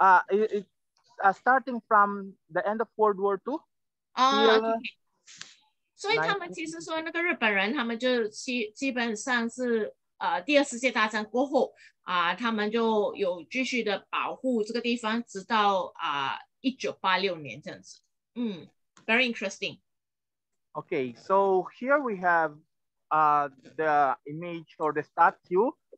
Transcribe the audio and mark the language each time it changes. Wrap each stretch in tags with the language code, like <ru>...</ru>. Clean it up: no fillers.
<en>It's starting from the end of World War II. Okay.</en> <zh>所以他们其实说那个日本人，他们就基本上是第二次世界大战过后他们就有继续的保护这个地方，直到1986年这样子。</zh> <en>嗯，very interesting. Okay, so here we have the image or the statue.</en>